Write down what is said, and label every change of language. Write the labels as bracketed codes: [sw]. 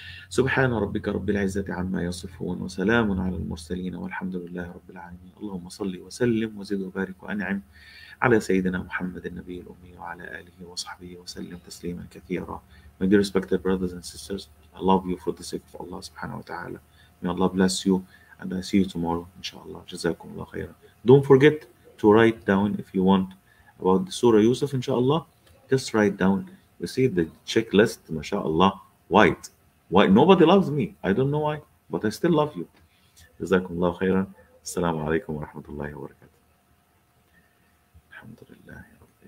[ar] سبحان ربك رب العزة عما يصفون وسلام على المرسلين والحمد لله رب العالمين اللهم صل وسلم وزد وبارك وأنعم على سيدنا محمد النبي الأمي وعلى آله وصحبه وسلم تسليما كثيرا. [en] My dear respected brothers and sisters, I love you for the sake of Allah subhanahu wa ta'ala. May Allah bless you and I see you tomorrow, inshallah. [ar] جزاكم الله خيرا. [en] Don't forget to write down if you want about the Surah Yusuf, inshallah. Just write down. You see the checklist, mashallah, white. Why? Nobody loves me. I don't know why, but I still love you. [ar] جزاكم الله خيرا. السلام عليكم ورحمة الله وبركاته. الحمد لله.